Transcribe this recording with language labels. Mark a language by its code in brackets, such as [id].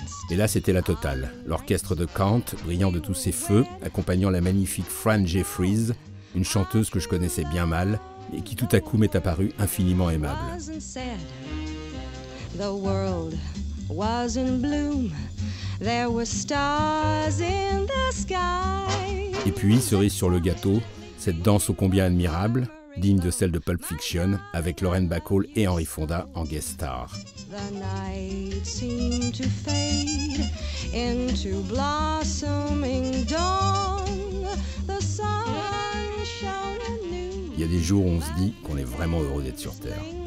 [fr] Et là, c'était la totale. L'orchestre de Kant, brillant de tous ses feux, accompagnant la magnifique Fran Jeffries, une chanteuse que je connaissais bien mal, et qui tout à coup m'est apparue infiniment aimable. [en] The world was in bloom. There were stars in the sky. [fr] Et puis, cerise sur le gâteau, cette danse ô combien admirable, digne de celle de Pulp Fiction, avec Lauren Bacall et Henry Fonda en guest star. [en] The night seemed to fade into blossoming dawn. The sun shone anew. [fr] Il y a des jours où on se dit qu'on est vraiment heureux d'être sur Terre.